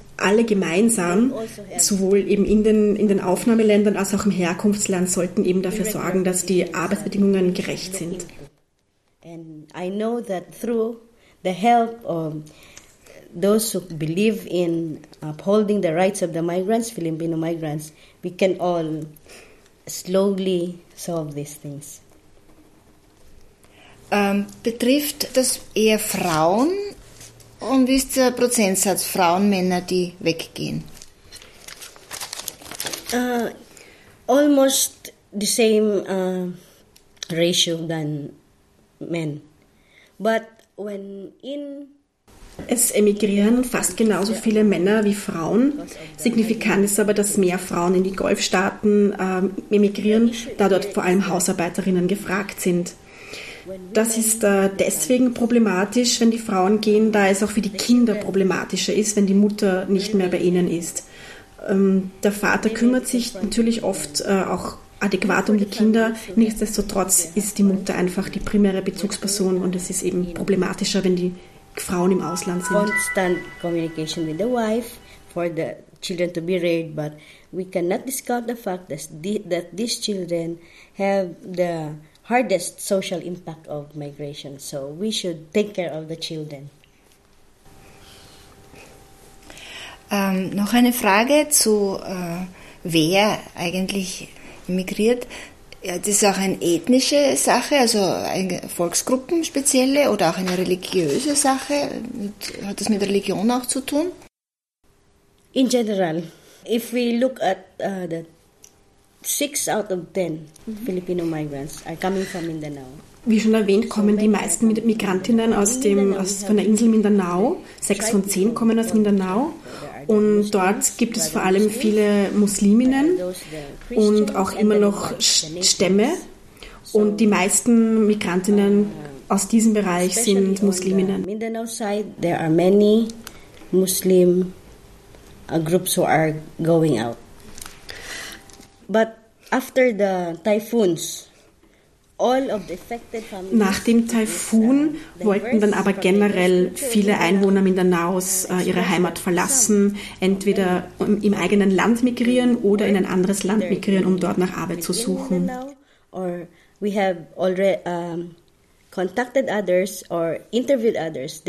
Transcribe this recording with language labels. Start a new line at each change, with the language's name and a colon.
German: alle gemeinsam, sowohl eben in den Aufnahmeländern als auch im Herkunftsland, sollten eben dafür sorgen, dass die Arbeitsbedingungen gerecht sind.
English: And I know that through the help of those who believe in upholding the rights of the migrants, Filipino migrants, we can all slowly solve these things.
German: Betrifft das eher Frauen? Und wie ist der Prozentsatz Frauen, Männer, die weggehen?
English: Almost the same ratio than men. But when in...
German: Es emigrieren fast genauso viele Männer wie Frauen. Signifikant ist aber, dass mehr Frauen in die Golfstaaten emigrieren, da dort vor allem Hausarbeiterinnen gefragt sind. Das ist deswegen problematisch, wenn die Frauen gehen, da es auch für die Kinder problematischer ist, wenn die Mutter nicht mehr bei ihnen ist. Der Vater kümmert sich natürlich oft auch adäquat um die Kinder. Nichtsdestotrotz ist die Mutter einfach die primäre Bezugsperson und es ist eben problematischer, wenn die Frauen im Ausland sind.
English: Constant communication with the wife for the children to be raised, but we cannot discard the fact that these children have the hardest social impact of migration. So we should take care of the children.
German: Noch eine Frage zu wer eigentlich immigriert. Ja, das ist auch eine ethnische Sache, also eine volksgruppenspezielle oder auch eine religiöse Sache. Hat das mit Religion auch zu tun?
English: In general, if we look at the 6 out of 10 Filipino migrants are coming from Mindanao.
German: Wie schon erwähnt, kommen die meisten Migrantinnen von der Insel Mindanao. 6 von 10 kommen aus Mindanao. Und dort gibt es vor allem viele Musliminnen und auch immer noch Stämme. Und die meisten Migrantinnen aus diesem Bereich sind Musliminnen.
English: Mindanao side, there are many Muslim groups who are going out. But after the typhoons, all of the affected families.
German: Nach dem Taifun wollten dann aber generell viele Einwohner Mindanaos ihre Heimat verlassen, entweder im eigenen Land migrieren oder in ein anderes Land migrieren, um dort nach Arbeit zu suchen.
English: Or we have already contacted others or interviewed others.